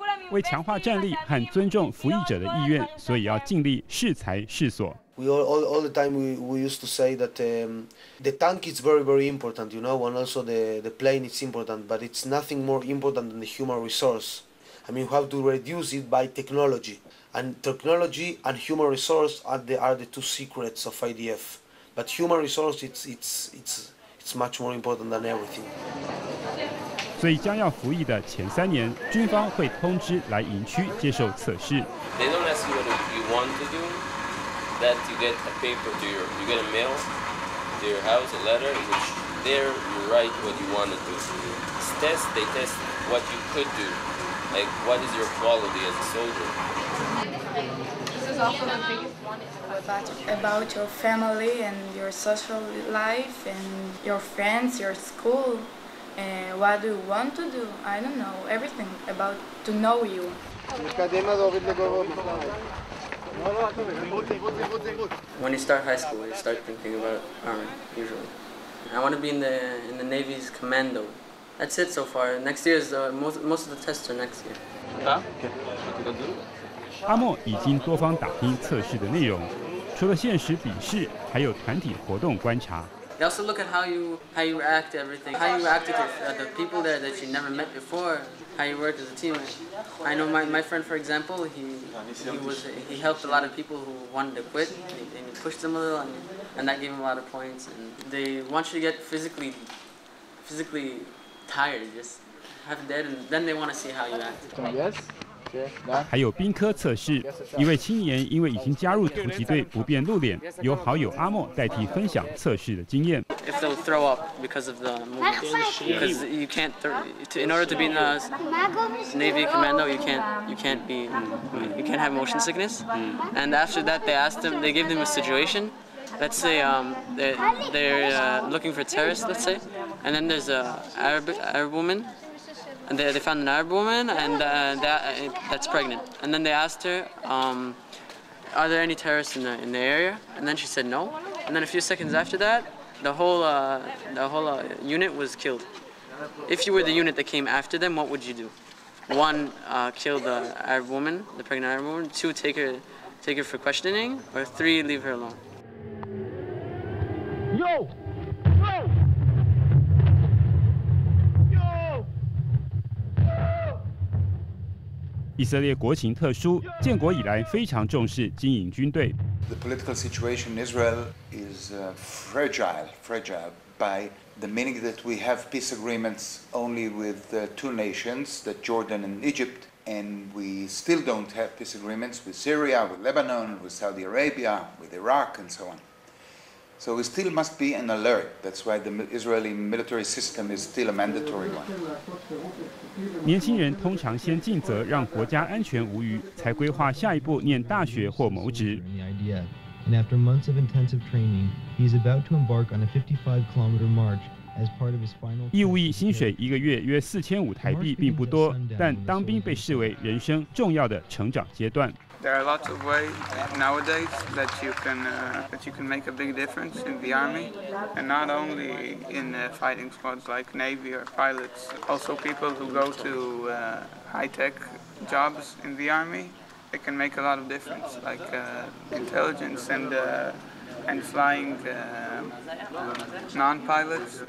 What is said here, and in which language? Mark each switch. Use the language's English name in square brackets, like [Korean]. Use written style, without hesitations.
[Chinese] 为强化战力和尊重服役者的意愿，所以要尽力适才适所。 [English] We all the time we used to say that the tank is very very important, you know, and also the plane is important, but it's nothing more important than the human resource. I mean, you have to reduce it by technology, and technology and human resource are the two secrets of IDF. But human resource, it's much more important than everything. [Chinese] 所以将要服役的前三年，军方会通知来营区接受测试。 [English] They don't ask you what you want to do. That you get a paper to your, you get a mail to your house, a letter in which there you write what you want to do. It's test. They test what you could do, like what is your quality as a soldier. This is also the biggest. About your family and your social life and your friends, your school, and what do you want to do? I don't know, everything about to know you. When you start high school, you start thinking about army, usually. I want to be in the Navy's commando. That's it so far. Next year is most of the tests are next year. [Chinese] 阿莫已经多方打听测试的内容，除了现实笔试，还有团体活动观察。 [English] They also look at how you react to everything, how you react to the people there that you never met before, how you work as a team. I know my friend, for example, he helped a lot of people who wanted to quit, and he pushed them a little, and that gave him a lot of points. And they want you to get physically tired, just half dead, and then they want to see how you act. Yes. [Chinese] 还有兵科测试，一位青年因为已经加入突击队不便露脸，由好友阿莫代替分享测试的经验。 [English] If they'll throw up because of the movement, because you can't throw, in order to be in a Navy commando, you can't have motion sickness. And after that, they asked them, they gave them a situation. Let's say they're looking for terrorists, let's say, and then there's an Arab woman. And they found an Arab woman that's pregnant. And then they asked her, are there any terrorists in the area? And then she said no. And then a few seconds after that, the whole unit was killed. If you were the unit that came after them, what would you do? One, kill the Arab woman, the pregnant Arab woman. Two, take her for questioning. Or three, leave her alone. Yo! [Chinese] 以色列国情特殊，建国以来非常重视经营军队。 [English] The political situation in Israel is fragile by the meaning that we have peace agreements only with two nations, that Jordan and Egypt, and we still don't have peace agreements with Syria, with Lebanon, with Saudi Arabia, with Iraq, and so on. So we still must be on alert. That's why the Israeli military system is still a mandatory one. [Chinese] 年轻人通常先尽责，让国家安全无虞，才规划下一步念大学或谋职。 [English] And after months of intensive training, he's about to embark on a 55-kilometer march as part of his final. [Chinese] 义务役薪水一个月约4500台币，并不多，但当兵被视为人生重要的成长阶段。 [English] There are lots of ways nowadays that you can make a big difference in the army, and not only in fighting squads like Navy or pilots, also people who go to high-tech jobs in the army, they can make a lot of difference, like intelligence and flying non-pilots.